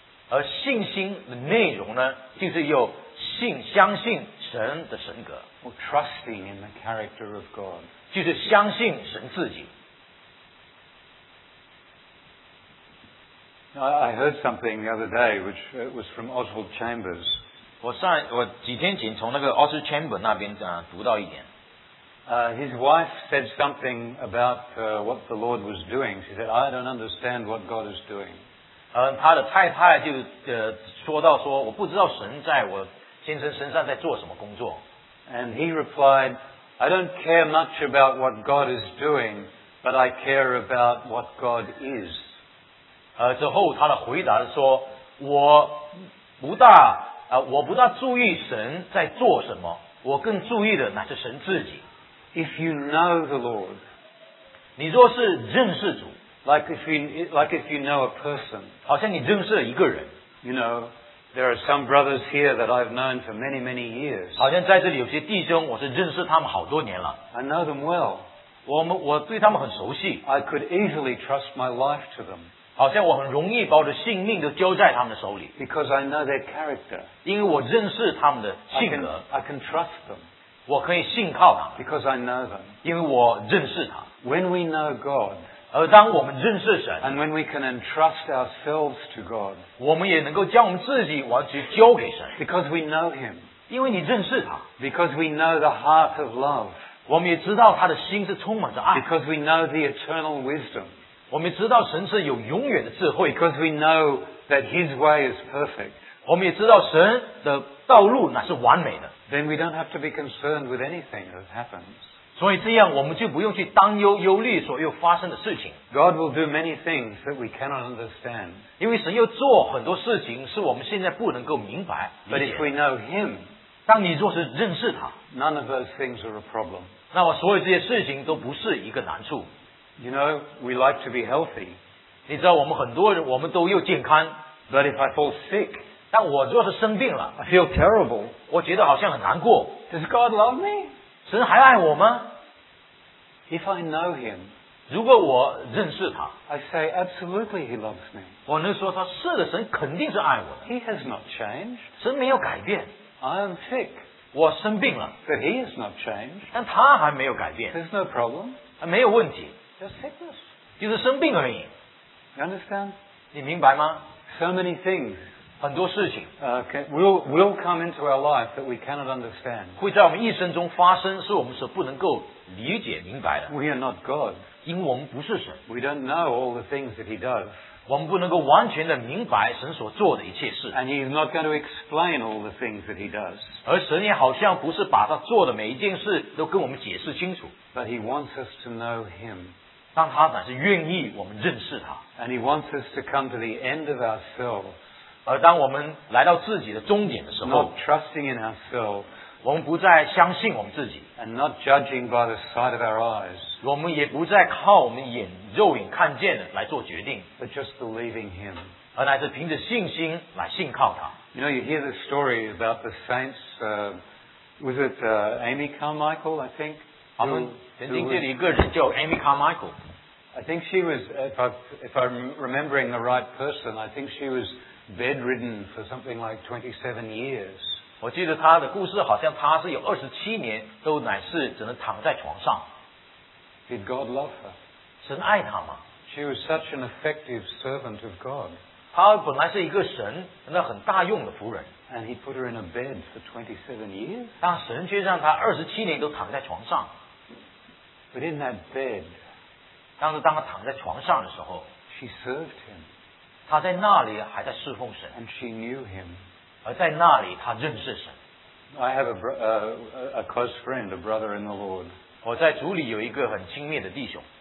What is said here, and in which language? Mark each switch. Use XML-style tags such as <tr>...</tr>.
<zh>而信心的内容呢，就是要信，相信神的神格。</zh> <en>Or trusting in the character of God.</en> <zh>就是相信神自己。</zh> <en>I heard something the other day, which was from Oswald Chambers.</en> <zh>我几天前从那个 Oswald Chambers 那边读到一点。</zh> <en>His wife said something about what the Lord was doing. She said, I don't understand what God is doing.</en> <zh>他的太太就说到说，我不知道神在我先生身上在做什么工作。</zh> <en>And he replied, I don't care much about what God is doing, but I care about what God is.</en> <zh>之后他的回答是说，我不大我不大注意神在做什么，我更注意的乃是神自己。</zh> <en>If you know the Lord,</en> <zh>你若是认识主</zh> <en>like if you know a person,</en> <zh>好像你认识了一个人。</zh> <en>You know, there are some brothers here that I've known for many, many years.</en> <zh>好像在这里有些弟兄，我是认识他们好多年了。</zh> <en>I know them well.</en> <zh>我对他们很熟悉。</zh> <en>I could easily trust my life to them.</en> <zh>好像我很容易把我的性命都交在他们的手里。</zh> <en>Because I know their character.</en> <zh>因为我认识他们的性格。</zh> <en>I can trust them.</en> <zh>我可以信靠他们。</zh> <en>Because I know them.</en> <zh>因为我认识他。</zh> <en>When we know God.</en> <zh>而当我们认识神。</zh> <en>And when we can entrust ourselves to God.</en> <zh>我们也能够将我们自己完全交给神。</zh> <en>Because we know Him.</en> <zh>因为你认识他。</zh> <en>Because we know the heart of love.</en> <zh>我们也知道他的心是充满着爱。</zh> <en>Because we know the eternal wisdom.</en> <zh>我们知道神是有永远的智慧。</zh> <en>Because we know that His way is perfect.</en> <zh>我们也知道神的道路那是完美的。</zh> <en>Then we don't have to be concerned with anything that happens.</en> <zh>所以这样我们就不用去担忧忧虑所又发生的事情。</zh> <en>God will do many things that we cannot understand.</en> <zh>因为神又做很多事情是我们现在不能够明白。</zh> <en>But if we know Him,</en> <zh>当你若是认识他，</zh> <en>none of those things are a problem.</en> <zh>那么所有这些事情都不是一个难处。</zh> <en>You know, we like to be healthy.</en> <zh>你知道我们很多人我们都又健康。</zh> <en>But if I fall sick,</en> <zh>但我若是生病了，</zh> <en>I feel terrible.</en> <zh>我觉得好像很难过。</zh> <en>Does God love me?</en> <zh>神还爱我吗？</zh> <en>If I know Him,</en> <zh>如果我认识他，</zh> <en>I say absolutely He loves me.</en> <zh>我能说他是的，神肯定是爱我的。</zh> <en>He has not changed.</en> <zh>神没有改变。</zh> <en>I am sick.</en> <zh>我生病了。</zh> <en>But He has not changed.</en> <zh>但他还没有改变。</zh> <en>There's no problem.</en> <zh>没有问题。</zh> <en>Sickness.</en> <zh>就是生病而已。</zh> <en>You understand?</en> <zh>你明白吗？</zh> <en>So many things,</en> <zh>很多事情</zh> <en>will come into our life that we cannot understand.</en> <zh>会在我们一生中发生，是我们所不能够理解明白的。</zh> <en>We are not God.</en> <zh>因为我们不是神。</zh> <en>We don't know all the things that He does.</en> <zh>我们不能够完全的明白神所做的一切事。</zh> <en>And He is not going to explain all the things that He does.</en> <zh>而神也好像不是把他做的每一件事都跟我们解释清楚。</zh> <en>But He wants us to know Him.</en> <zh>但他乃是愿意我们认识他。</zh> <en>And He wants us to come to the end of ourselves.</en> <zh>而当我们来到自己的终点的时候，</zh> <en>Not trusting in ourselves.</en> <zh>我们不再相信我们自己。</zh> <en>And not judging by the sight of our eyes.</en> <zh>我们也不再靠我们眼肉眼看见的来做决定。</zh> <en>But just believing Him.</en> <zh>而乃是凭着信心来信靠他。</zh> <en>You know, you hear the story about the saints, Amy Carmichael, I think? I think she was, if I'm remembering the right person, I think she was bedridden for something like 27 years.</en> <zh>我记得她的故事好像她是有27年都乃是只能躺在床上。</zh> <en>Did God love her?</en> <zh>神爱她吗?</zh> <en>She was such an effective servant of God.</en> <zh>她本来是一个神，那很大用的仆人。</zh> <en>And He put her in a bed for 27 years?</en> <zh>但神却让她27年都躺在床上。</zh> <en>But in that bed,</en> <zh>当他躺在床上的时候，</zh> <en>she served him.</en> <zh>他在那里还在侍奉神。</zh> <en>And she knew him.</en> <zh>而在那里他认识神。</zh> <en>I have a close friend, a brother in the Lord.</en> <zh>我在主里有一个很亲密的弟兄。</zh>